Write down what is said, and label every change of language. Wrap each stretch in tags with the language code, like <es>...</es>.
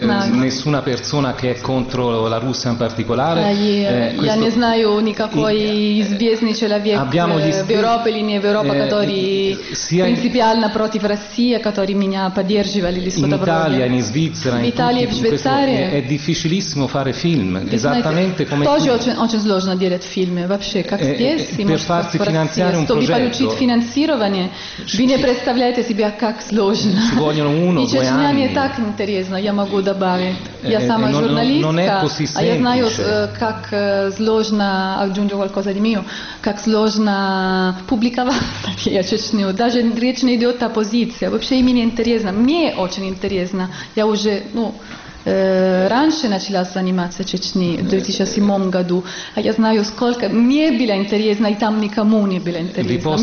<it>Nessuna persona che è contro la Russia in particolare.</it> <ru>Я не знаю никакой известный человек в Европе или не в Европе, который принципиально против России, который меня поддерживали или что-то вроде.</ru> <it>In Italia, in Italia, in Svizzera, è difficilissimo fare film. Esattamente come</it> <ru>тоже очень сложно делать фильмы вообще, как здесь,</ru> <it>per farsi finanziare un progetto.</it> <ru>Чтобы получить финансирование, вы не представляете себя, как сложно.</ru> <it>Ci vogliono uno, due anni.</it> <ru>И честно, мне так интересно, я могу добавить. Я сама журналистка, а я знаю, как сложно,</ru> <it>aggiungo qualcosa di mio,</it> <ru>как сложно публиковать, я честно, даже речь не идет о позиции, вообще имя интересно, мне очень интересно, я уже, ну, раньше начала заниматься Чечней в 2007 году, а я знаю, сколько мне было интересно, и там никому не было интересно.</ru>